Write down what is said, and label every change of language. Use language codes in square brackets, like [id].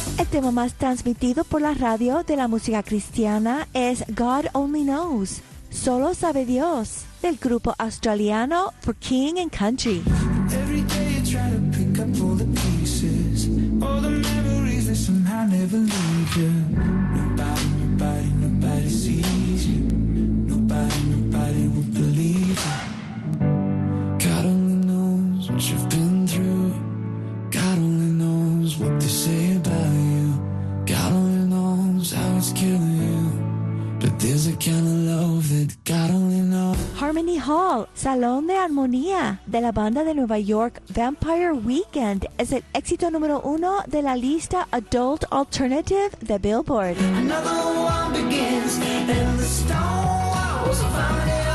[es] Tema más transmitido por la radio de la música cristiana es God Only Knows, Solo Sabe Dios, del grupo australiano For King and Country. [en] Every day I try to pick up all the pieces, all the memories that somehow never leave you. Nobody, nobody, nobody sees you. Nobody, nobody will believe you. God only knows what you've been through. God only knows what they say about you. God only knows how it's killing you, but there's a kind of love that God only knows. [es] Harmony Hall, Salón de Armonía, de la banda de Nueva York, Vampire Weekend, es el éxito número uno de la lista Adult Alternative de Billboard. [en] Another one begins, and the stone walls are fine.